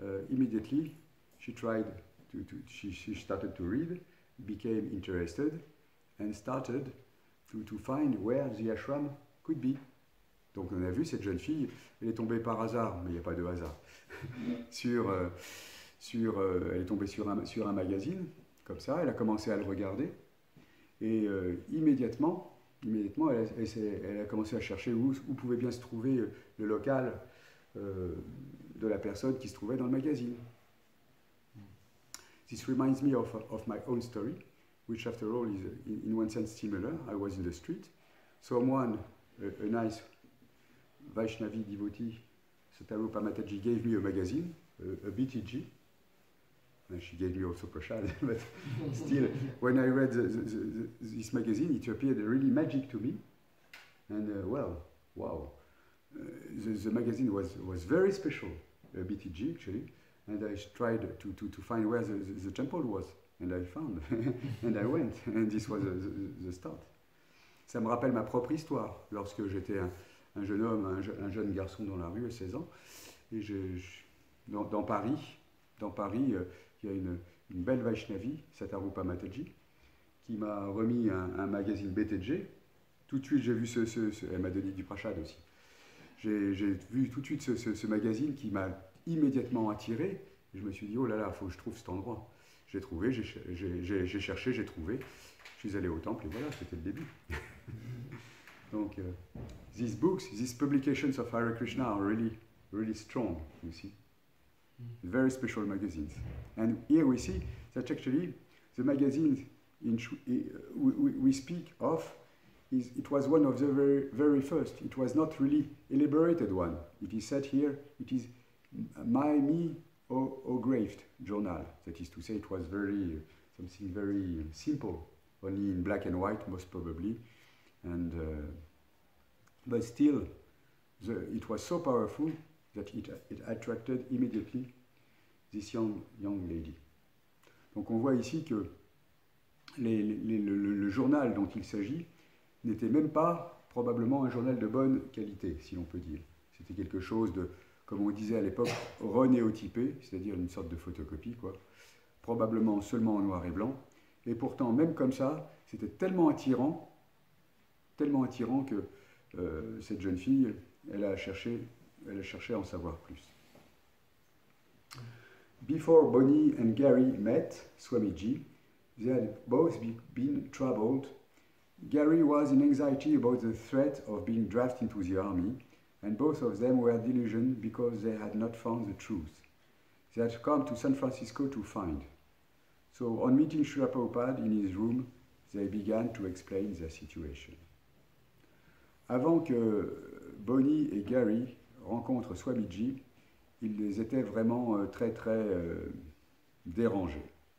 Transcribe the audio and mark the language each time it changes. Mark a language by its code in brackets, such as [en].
[en] Immediately, she tried she started to read, became interested, and started to find where the ashram could be. [fr] Donc on a vu cette jeune fille, elle est tombée par hasard, mais il n'y a pas de hasard, elle est tombée sur un magazine, comme ça, elle a commencé à le regarder, et immédiatement, elle a commencé à chercher où pouvait bien se trouver le local de la personne qui se trouvait dans le magazine. [en] This reminds me of my own story, which after all is in one sense similar. I was in the street. Someone, a nice Vaishnavi devotee, Sataru Pamataji, gave me a magazine, a BTG. And she gave me also Prashad, but still, when I read this magazine, it appeared really magic to me. And wow, the magazine was very special, a BTG actually. And I tried to find where the temple was, and I found, and I went, and this was the start. [fr] Ça me rappelle ma propre histoire, lorsque j'étais un jeune homme, un jeune garçon dans la rue, 16 ans, et dans Paris, il y a une belle Vaishnavi, Satarupa Mataji, qui m'a remis un magazine BTG. Tout de suite, j'ai vu ce elle m'a donné du prachad aussi. J'ai vu tout de suite ce magazine qui m'a immédiatement attiré. Je me suis dit, oh là là, il faut que je trouve cet endroit. J'ai trouvé, j'ai cherché, j'ai trouvé. Je suis allé au temple et voilà, c'était le début. [en] Donc, these books, these publications of Hare Krishna are really, really strong, you see. Very special magazines. And here we see that actually the magazine we speak of, it was one of the very, very first. It was not really elaborated one. It is said here, it is Miami O-graved journal. That is to say, it was something very simple, only in black and white, most probably. And but still, it was so powerful that it attracted immediately this young lady. [fr] Donc on voit ici que le journal dont il s'agit n'était même pas probablement un journal de bonne qualité, si l'on peut dire. C'était quelque chose de, comme on disait à l'époque, renéotypé, c'est-à-dire une sorte de photocopie, quoi. Probablement seulement en noir et blanc. Et pourtant, même comme ça, c'était tellement attirant que cette jeune fille, elle a cherché à en savoir plus. [en] Before Bonnie and Gary met Swamiji, they had both been troubled. Gary was in anxiety about the threat of being drafted into the army, and both of them were disillusioned because they had not found the truth. They had come to San Francisco to find. So on meeting Srila Prabhupada in his room, they began to explain their situation. [fr] Avant que Bonnie et Gary rencontrent Swamiji, ils étaient vraiment très très dérangés.